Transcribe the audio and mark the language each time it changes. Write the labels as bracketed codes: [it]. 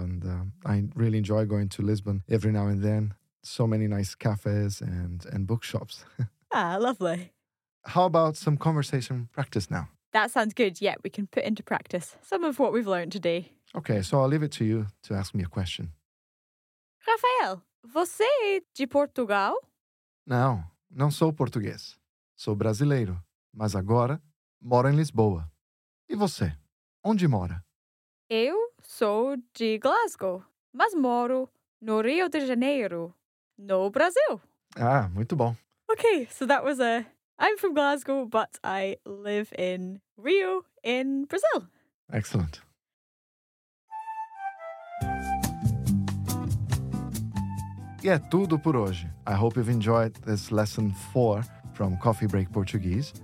[en] And I really enjoy going to Lisbon every now and then. So many nice cafes and bookshops. Ah, lovely. How about some conversation practice now? That sounds good. Yeah, we can put into practice some of what we've learned today. Okay, so I'll leave it to you to ask me a question. [pt] Rafael, você é de Portugal? Não, não sou português. Sou brasileiro, mas agora moro em Lisboa. E você? Onde mora? Eu sou de Glasgow, mas moro no Rio de Janeiro, no Brasil. Ah, muito bom. [en] Okay, so that was I'm from Glasgow, but I live in Rio in Brazil. Excellent. [pt] E é tudo por hoje. [en] I hope you've enjoyed this lesson 4 from Coffee Break Portuguese.